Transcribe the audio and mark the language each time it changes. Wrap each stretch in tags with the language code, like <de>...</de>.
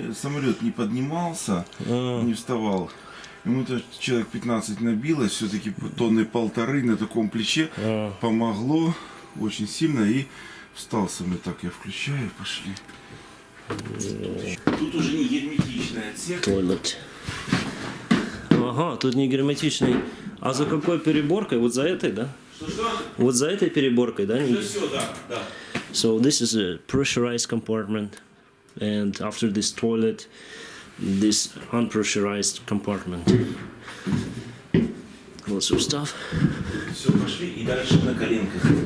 <ru>Самолет не поднимался, не вставал. Ему-то человек 15 набилось, все-таки тонны полторы на таком плече помогло очень сильно, и встал со мной. Так, я включаю, пошли. Тут уже не герметичный отсек. Туалет. Ага, тут не герметичный. А за какой переборкой? Вот за этой, да? Что-что? Вот за этой переборкой, да? Все, да, да.</ru> <en>So this is a pressurized compartment, and after this toilet, this unpressurized compartment. Lots of stuff.</en> <ru>Все, пошли, и дальше на коленках.</ru>